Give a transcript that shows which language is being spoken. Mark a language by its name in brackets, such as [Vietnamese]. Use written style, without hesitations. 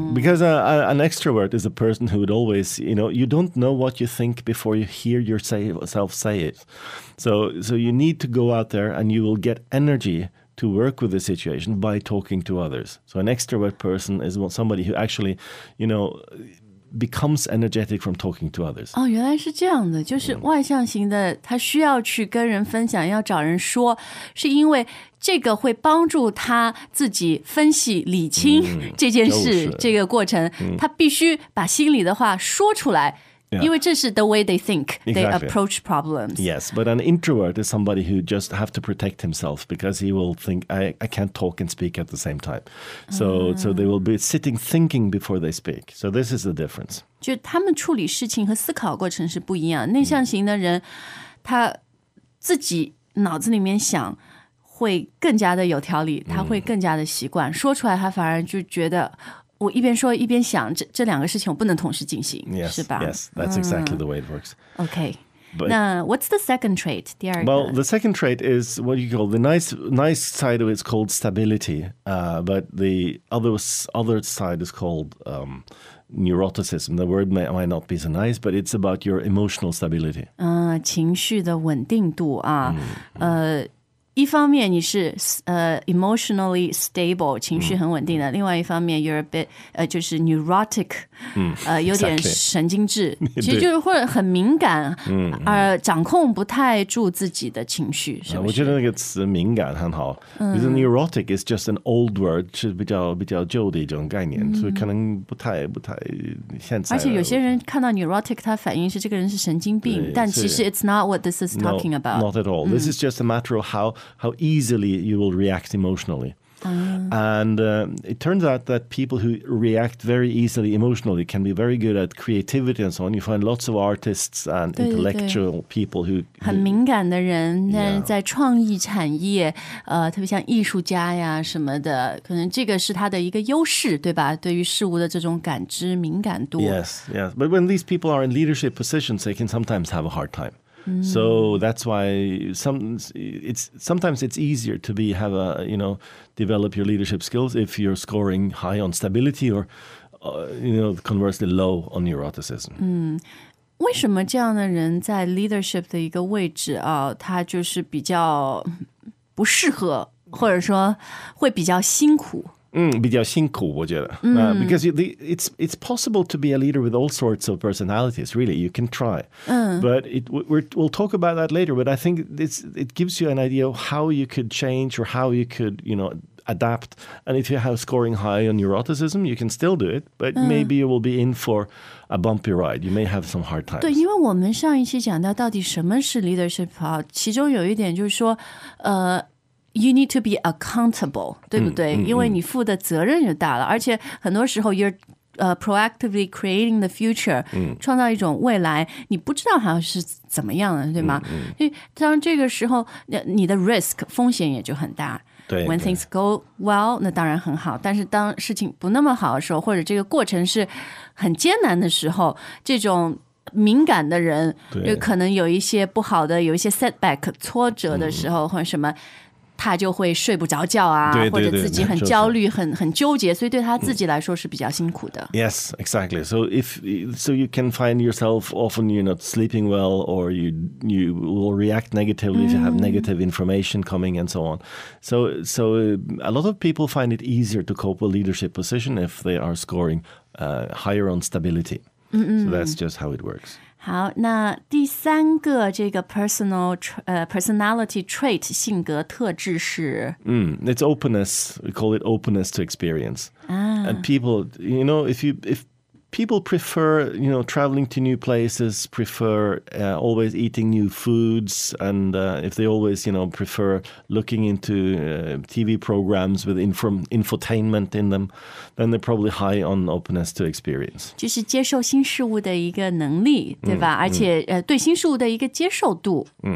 [English] Because an extrovert is a person who would always, you know, you don't know what you think before you hear yourself say it. So you need to go out there and you will get energy. To work with the situation by talking to others. So an extrovert person is somebody who actually, you know, becomes energetic from talking to others. [Chinese] 哦，原来是这样的，就是外向型的，他需要去跟人分享，要找人说，是因为这个会帮助他自己分析理清这件事，这个过程，他必须把心里的话说出来。 [English] Yeah. [Chinese] 因为这是 [English] the way they think, they exactly. approach problems. Yes, but an introvert is somebody who just has to protect himself because he will think, I can't talk and speak at the same time. So,so they will be sitting thinking before they speak. So this is the difference. [Chinese] 就他们处理事情和思考过程是不一样。内向型的人他自己脑子里面想会更加的有条理他会更加的习惯说出来他反而就觉得我一边说一边想这两个事情我不能同时进行 [English] yes, [Chinese] 是吧 [English] Yes, that's exactly the way it works. Okay. But, 那 what's the second trait? [Chinese] 第二个 [English] Well, the second trait is what you call the nice side of it is called stability, but the other side is called neuroticism. The word might not be so nice, but it's about your emotional stability. [Chinese] 情绪的稳定度啊、一方面你是 [English] emotionally stable, [Chinese] 情绪很稳定的。另外一方面 [English] you're a bit, [Chinese] 就是 neurotic, 有点神经质。 [English] Exactly. [Chinese] 其实就是会很敏感而掌控不太住自己的情绪。是不是我觉得那个词敏感很好。 [English] Because neurotic is just an old word, [Chinese] 是比较旧的一种概念。所以可能不太现在。而且有些人看到 neurotic, 他反应是这个人是神经病。但其实 [English] it's not what this is talking about. No, not at all. This is just a matter of how easily you will react emotionally. It turns out that people who react very easily emotionally can be very good at creativity and so on. You find lots of artists and intellectual people who... [Chinese] 很敏感的人在创意产业特别像艺术家呀什么的可能这个是他的一个优势对吧对于事物的这种感知敏感度 [English] Yes, yes. But when these people are in leadership positions, they can sometimes have a hard time. So that's why sometimes it's easier to develop your leadership skills if you're scoring high on stability or, conversely low on neuroticism. [Chinese] 为什么这样的人在 leadership 的一个位置啊，他就是比较不适合，或者说会比较辛苦？比较辛苦，我觉得。 [English] Because it's possible to be a leader with all sorts of personalities, really. You can try. But we'll talk about that later. But I think it gives you an idea of how you could change or how you could, adapt. And if you have scoring high on neuroticism, you can still do it. But maybe you will be in for a bumpy ride. You may have some hard times. [Chinese] 对，因为我们上一期讲到到底什么是 leadership, 其中有一点就是说 [English] You need to be accountable, [Chinese] 对不对？因为你负的责任就大了，而且很多时候 [English] you're proactively creating the future, [Chinese] 创造一种未来，你不知道好像是怎么样的，对吗？所以当这个时候，你的 risk 风险也就很大。对， [English] when things go well, [Chinese] 那当然很好，但是当事情不那么好的时候，或者这个过程是很艰难的时候，这种敏感的人，就可能有一些不好的，有一些 setback 挫折的时候、嗯、或者什么，他就会睡不着觉啊，对对对，或者自己很焦虑、就是、很纠结，所以对他自己来说是比较辛苦的。 [English] Yes, exactly. So if so you can find yourself often you're not sleeping well, or you will react negatively、嗯、if you have negative information coming and so on. So a lot of people find it easier to cope with leadership position if they are scoring、higher on stability. So that's just how it works. [Chinese] 好，那第三个这个 personal personality trait 性格特质是、 [English] It's openness. We call it openness to experience.、 Ah. And people, you know, if people prefer, you know, traveling to new places, prefer、always eating new foods, and、if they always, you know, prefer looking into、TV programs with infotainment in them, then they're probably high on openness to experience. [Chinese] 就是接受新事物的一个能力，对吧？而且、对新事物的一个接受度。